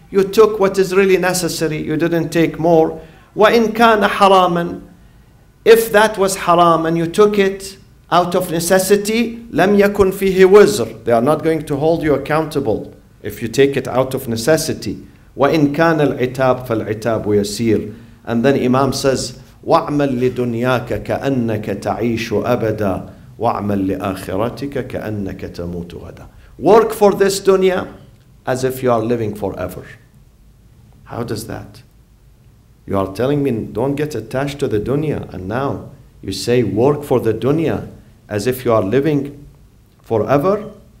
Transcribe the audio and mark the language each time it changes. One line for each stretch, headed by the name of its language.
English: You took what is really necessary. You didn't take more.
Arabic: وَإِنْ كَانَ حَرَامًا.
English: If that was haram and you took it out of necessity,
Arabic: لَمْ يَكُنْ فِيهِ وَزْرٌ.
English: They are not going to hold you accountable if you take it out of necessity.
Arabic: وَإِنْ كَانَ الْعِتَابُ فَالْعِتَابُ يَسِيرٌ.
English: And then Imam says,
Arabic: وَعْمَلْ لِدُنْيَاكَ كَأَنَّكَ تَعِيشُ أَبَدًا وَعْمَلْ لِآخِرَتِكَ كَأَنَّكَ تَمُوتُ غَدًا.
English: Work for this dunya as if you are living forever. How does that? You are telling me don't get attached to the dunya, and now you say work for the dunya as if you are living forever?